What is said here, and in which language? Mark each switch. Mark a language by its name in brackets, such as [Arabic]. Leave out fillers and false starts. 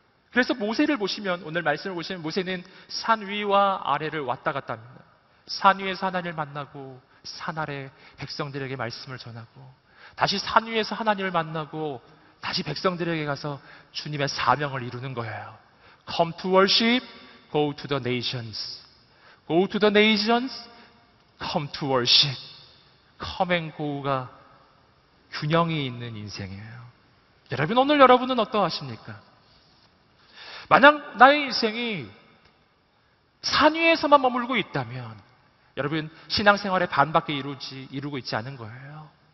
[Korean] 그래서 모세를 보시면, 오늘 말씀을 보시면 모세는 산 위와 아래를 왔다 갔다 합니다. 산 위에서 하나님을 만나고 산 아래 백성들에게 말씀을 전하고 다시 산 위에서 하나님을 만나고 다시 백성들에게 가서 주님의 사명을 이루는 거예요. [English] Come to worship, go to the nations. Go to the nations, come to worship. Come and go [Korean] 가 균형이 있는 인생이에요. 여러분, 오늘 여러분은 어떠하십니까? 만약 나의 인생이 산 위에서만 머물고 있다면 여러분, 신앙생활의 반밖에 이루고 있지 않은 거예요.